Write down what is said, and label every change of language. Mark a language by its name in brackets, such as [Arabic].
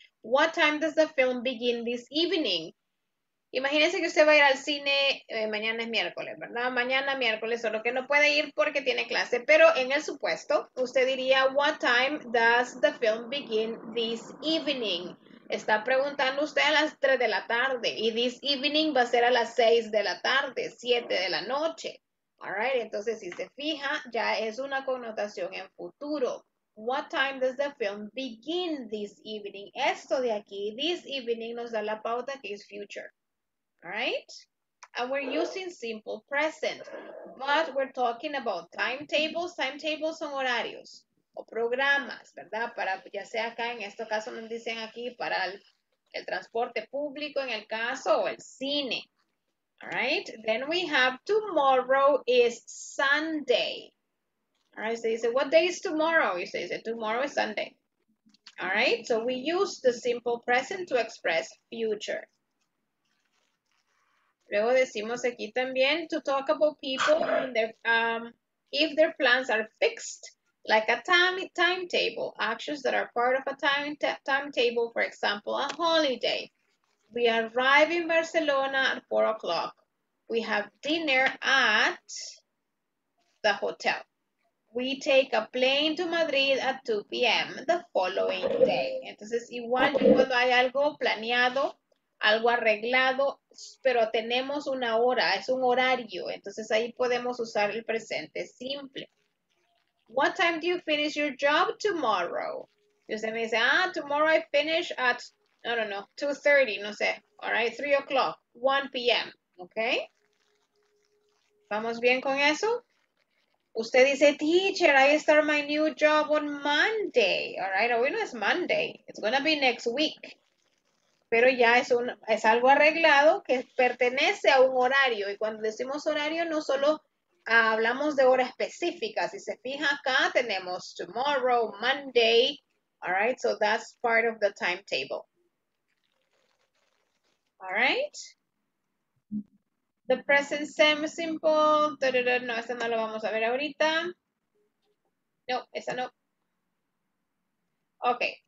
[English] What time does the film begin this evening? [Spanish] Imagínense que usted va a ir al cine, mañana es miércoles, ¿verdad? Mañana miércoles, solo que no puede ir porque tiene clase. Pero en el supuesto, usted diría, [English] what time does the film begin this evening? [Spanish] Está preguntando usted a las 3 de la tarde. Y [English] this evening [Spanish] va a ser a las 6 de la tarde, 7 de la noche. [English] All right, [Spanish] entonces si se fija, ya es una connotación en futuro. [English] What time does the film begin this evening? [Spanish] Esto de aquí, [English] this evening, [Spanish] nos da la pauta que es future. All right? [English] And we're using simple present. But we're talking about timetables. [Spanish] Timetables son horarios o programas, ¿verdad? Para, ya sea acá, en este caso nos dicen aquí, para el transporte público en el caso, o el cine. [English] All right, then we have tomorrow is Sunday. All right, so you say, what day is tomorrow? You say, tomorrow is Sunday. All right, so we use the simple present to express future. [Spanish] Luego decimos aquí también [English] to talk about people and their, if their plans are fixed, like a timetable, actions that are part of a timetable, for example, a holiday. We arrive in Barcelona at 4:00. We have dinner at the hotel. We take a plane to Madrid at 2 p.m. the following day. [Spanish] Entonces, igual cuando hay algo planeado, algo arreglado, pero tenemos una hora, es un horario. Entonces, ahí podemos usar el presente simple. [English] What time do you finish your job tomorrow? [Spanish] Y usted me dice, [English] tomorrow I finish at, [Spanish] 2:30, no sé. [English] All right, [Spanish] 3:00, 1 p.m., okay? ¿Vamos bien con eso? Usted dice, [English] teacher, I start my new job on Monday. All right, [Spanish] hoy no es [English] Monday. It's going to be next week. [Spanish] Pero ya es, es algo arreglado que pertenece a un horario. Y cuando decimos horario, no solo hablamos de hora específica. Si se fija acá, tenemos tomorrow, Monday. [English] All right, so that's part of the timetable. All right. The present semi-simple, [Spanish] no, esa no la vamos a ver ahorita. No, esa no. Ok.